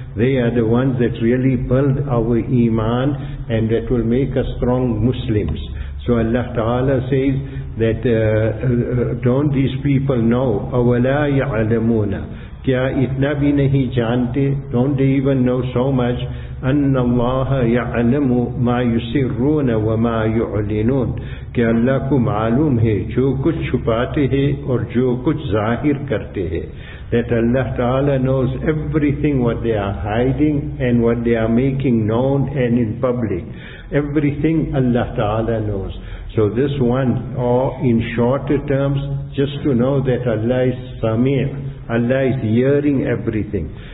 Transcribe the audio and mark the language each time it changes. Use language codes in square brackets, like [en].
[en] They are the ones that really build our iman and that will make us strong Muslims. So Allah Ta'ala says that don't these people know? [ar] أَوَلَا يَعْلَمُونَ [ur] Kya itna bhi nahi jante? [en] Don't they even know so much? [ar] أَنَّ اللَّهَ يَعْلَمُ مَا يُسِرُّونَ وَمَا يُعْلِنُونَ [ur] کہ اللہ کو معلوم ہے جو کچھ چھپاتے ہیں اور جو کچھ ظاہر کرتے ہیں. [en] That Allah Ta'ala knows everything what they are hiding and what they are making known and in public. Everything Allah Ta'ala knows. So this one, or in shorter terms, just to know that Allah is Sami', Allah is hearing everything.